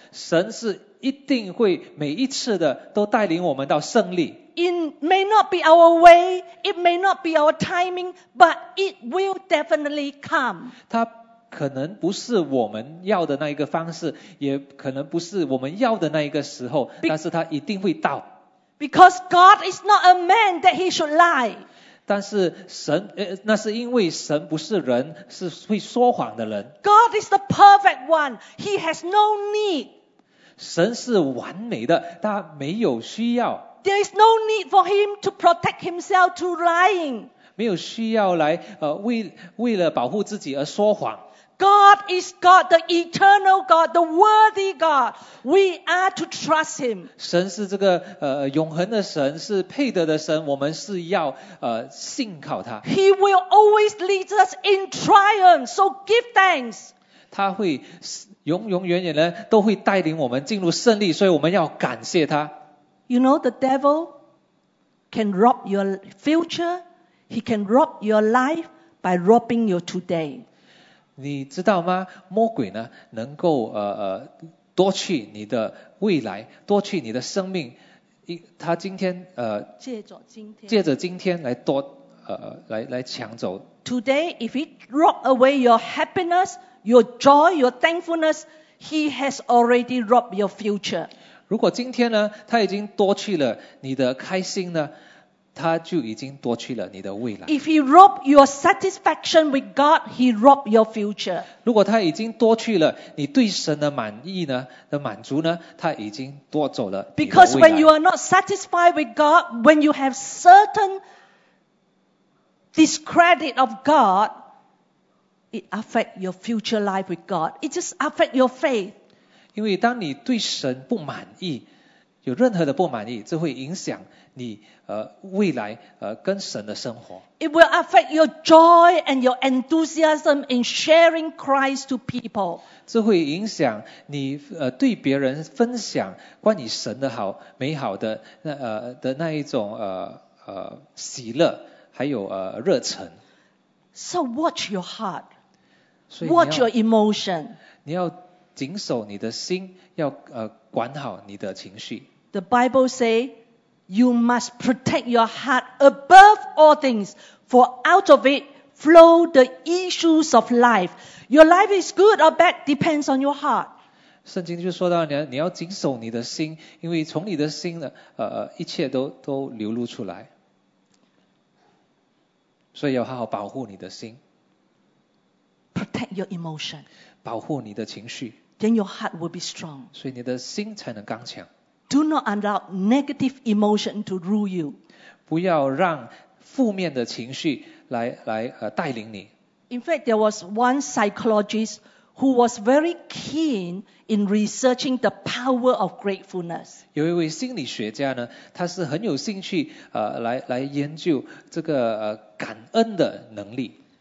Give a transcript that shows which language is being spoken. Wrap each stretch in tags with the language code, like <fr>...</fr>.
<zh>神是一定会每一次的都带领我们到胜利。</zh> <en>It may not be our way, it may not be our timing, but it will definitely come.</en> <zh>他可能不是我们要的那一个方式，也可能不是我们要的那一个时候，但是他一定会到。</zh> <en>Because God is not a man that he should lie.</en> <zh>但是神，那是因为神不是人，是会说谎的人。</zh> <en>God is the perfect one. He has no need.</en> <zh>神是完美的，他没有需要。</zh> <en>There is no need for him to protect himself to lying.</en> <zh>没有需要来为了保护自己而说谎。</zh> <en>God is God, the eternal God, the worthy God. We are to trust Him.</en> <zh>神是这个永恒的神，是配得的神，我们是要信靠他。</zh> <en>He will always lead us in triumph, so give thanks.</en> <zh>他会永永远远呢都会带领我们进入胜利，所以我们要感谢他。</zh> <en>You know, the devil can rob your future, he can rob your life by robbing your today.</en> <zh>你知道吗？魔鬼呢，能够夺去你的未来，夺去你的生命。他今天借着今天来夺来抢走。</zh> <en>Today, if he rob away your happiness, your joy, your thankfulness, he has already robbed your future.</en> <zh>如果今天呢，他已经夺去了你的开心呢？他就已经夺去了你的未来。</zh> <en>If he rob your satisfaction with God, he rob your future.</en> <zh>如果他已经夺去了你对神的满意呢，的满足呢，他已经夺走了你的未来。</zh> <en>Because when you are not satisfied with God, when you have certain discredit of God, it affect your future life with God. It just affect your faith.</en> <zh>因为当你对神不满意，有任何的不满意，这会影响你未来跟神的生活。</zh> <en>It will affect your joy and your enthusiasm in sharing Christ to people.</en> <zh>这会影响你对别人分享关于神的好美好的那一种喜乐，还有热忱。</zh> <en>So watch your heart, watch your emotion.</en> <zh>你要谨守你的心，要管好你的情绪。</zh> <en>The Bible say, you must protect your heart above all things, for out of it flow the issues of life. Your life is good or bad depends on your heart.</en> <zh>圣经就说到你要谨守你的心，因为从你的心一切都流露出来。所以要好好保护你的心。</zh> <en>Protect your emotion.</en> <zh>保护你的情绪。</zh> <en>Then your heart will be strong.</en> <zh>所以你的心才能刚强。</zh> <en>Do not allow negative emotion to rule you.</en> <zh>不要让负面的情绪来带领你。</zh> <en>In fact, there was one psychologist who was very keen in researching the power of gratefulness.</en> <zh>有一位心理学家呢，他是很有兴趣来研究这个感恩的能力。</zh>